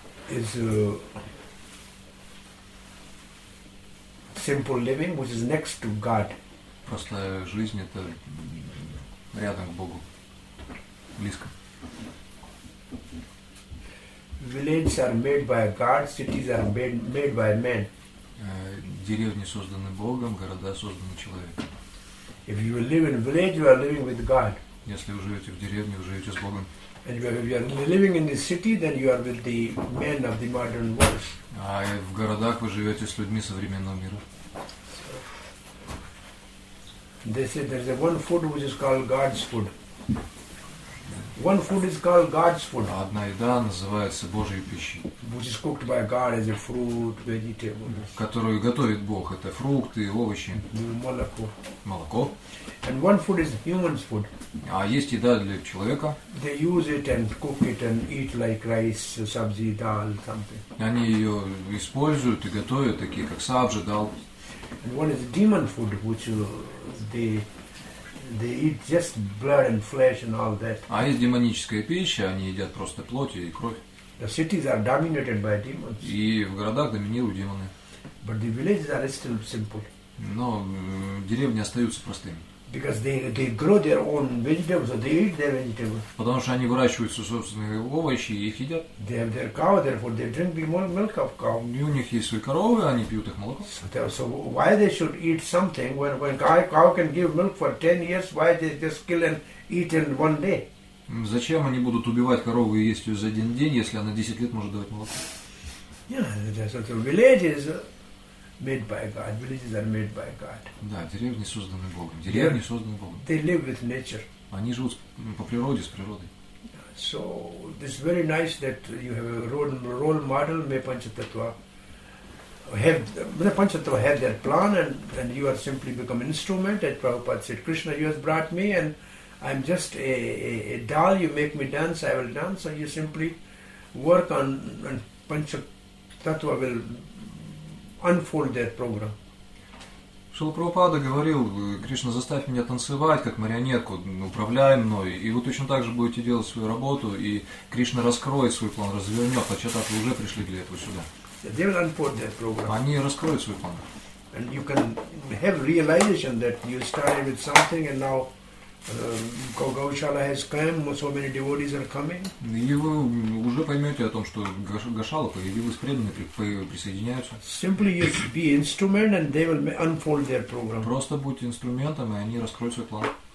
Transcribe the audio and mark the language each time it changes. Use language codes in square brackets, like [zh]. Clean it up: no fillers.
[en] Is simple living, which is next to God. [ru] Простая жизнь — это рядом к Богу, близко. [en] Villages are made by God, cities are made by men. [ru] Деревни созданы Богом, города созданы человеком. [en] If you live in a village, you are living with God. [ru] Если вы живете в деревне, вы живете с Богом. [en] And if you are living in the city, then you are with the men of the modern world. [ru] А в городах вы живете с людьми современного мира. [en] They say there is one food which is called God's food. One food is called God's food. [ru] Одна еда называется Божьей пищей. [en] Which is cooked by God as a fruit, vegetables. [ru] Которую готовит Бог, это фрукты, овощи. Молоко. Молоко. [en] And one food is human's food. [ru] А есть еда для человека. [en] They use it and cook it and eat like rice, sabzi, dal, something. [ru] Они ее используют и готовят такие, как сабжи, дал. [en] And one is demon food, which they eat just blood and flesh and all that. [ru] А есть демоническая пища, они едят просто плоть и кровь. [en] The cities are dominated by demons. [ru] И в городах доминируют демоны. [en] But the villages are still simple. [ru] Но деревни остаются простыми. [en] Because they grow their own vegetables, so they eat their vegetables. [ru] Потому что они выращивают свои собственные овощи и их едят. [en] They have their cow, therefore they drink the milk of cow. [ru] И у них есть свои коровы, они пьют их молоко. [en] So why they should eat something when cow can give milk for 10 years? Why they just kill and eat in one day? [ru] Зачем они будут убивать корову и есть ее за один день, если она 10 лет может давать молоко? [en] Yeah, so the villages. Made by God. Villages are made by God. [ru] Да, деревни созданы Богом. Деревни созданы Богом. [en] They live with nature. [ru] Они живут по природе, с природой. [en] So this is very nice that you have a role model, may Panchatattva have, Panchatattva had their plan, and you are simply become instrument. And Prabhupada said, Krishna, you have brought me, and I'm just a doll. You make me dance, I will dance. So you simply work on, and Panchatattva will unfold their program. [ru] Шрила Прабхупада говорил, Кришна, заставь меня танцевать, как марионетку, управляй мной, и вы точно так же будете делать свою работу, и Кришна раскроет свой план, развернет, хотя так вы уже пришли для этого сюда. Они раскроют свой план. [en] And you can have realization that you started with something and now Gaushala has come, so many devotees are coming. [ru] И вы уже поймете о том, что Гошала появилась, преданные присоединяются. [en] Simply you be instrument and they will unfold their program. [ru] Просто будьте инструментом, и они раскроют свой план.